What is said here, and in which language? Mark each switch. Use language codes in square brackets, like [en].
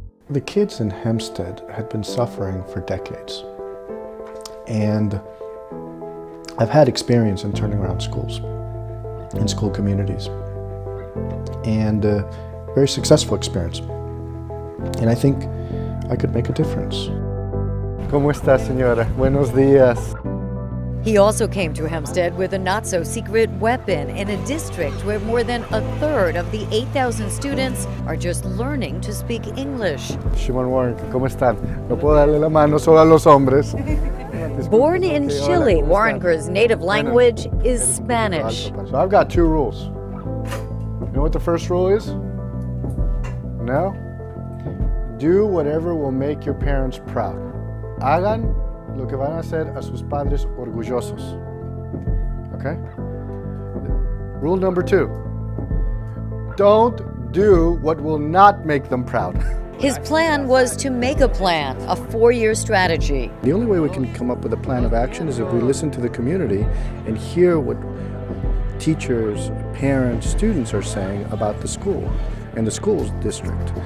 [en] The kids in Hempstead had been suffering for decades, and I've had experience in turning around schools and school communities, and a very successful experience, and I think I could make a difference. [es] ¿Cómo está, señora? Buenos días. [en] He also came to Hempstead with a not-so-secret weapon in a district where more than a third of the 8,000 students are just learning to speak English. [es] Shimon Warren, ¿cómo están? No puedo darle la mano solo a los hombres. [en] Born in Chile, Warrenker's native language is Spanish. So I've got two rules. You know what the first rule is? No? Do whatever will make your parents proud. [es] Hagan lo que van a hacer a sus padres orgullosos, okay? [en] Rule number two, don't do what will not make them proud. His plan was to make a plan, a four-year strategy. The only way we can come up with a plan of action is if we listen to the community and hear what teachers, parents, students are saying about the school and the school's district.